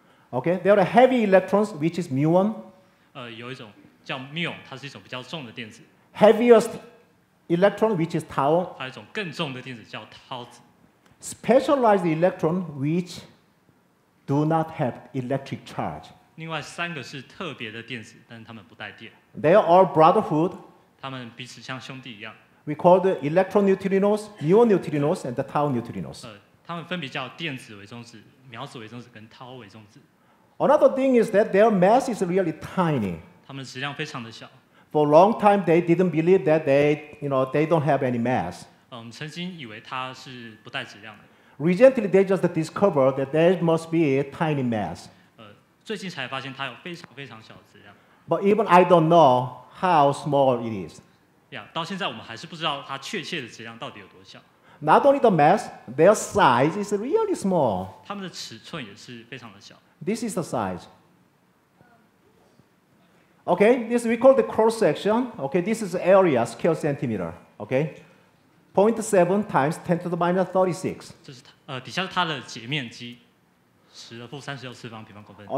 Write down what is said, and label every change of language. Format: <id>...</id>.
<en>Okay, there are heavy electrons, which is muon.</en> <zh>有一种叫 muon， 它是一种比较重的电子。</zh> <en>Heaviest electron, which is tau.</en> <zh>还有一种更重的电子叫 tau 子。</zh> <en>Specialized electron, which do not have electric charge.</en> <zh>另外三个是特别的电子，但是它们不带电。</zh> <en>They are all brotherhood.</en> <zh>它们彼此像兄弟一样。</zh> <en>We call the electron neutrinos, muon neutrinos, and the tau neutrinos.</en> <zh>它们分别叫电子微中子、苗子微中子跟tau微中子。</zh> <en>Another thing is that their mass is really tiny.</en> <zh>它们质量非常的小。</zh> <en>For a long time, they didn't believe that they, you know, they don't have any mass.</en> <zh>曾经以为它是不带质量的。</zh> <en>Recently, they just discovered that there must be a tiny mass.</en> <zh>最近才发现它有非常非常小的质量。</zh> <en>But even I don't know how small it is.</en> <zh>到现在我们还是不知道它确切的质量到底有多小。</zh> <en>Not only the mass, their size is really small.</en> <zh>它们的尺寸也是非常的小。</zh> <en>This is the size. Okay, this we call the cross section. Okay, this is area square centimeter. Okay, 0.7 times 10 to the minus 36.</en> <zh>这是底下是它的截面积，十的负三十六次方平方公分。</zh>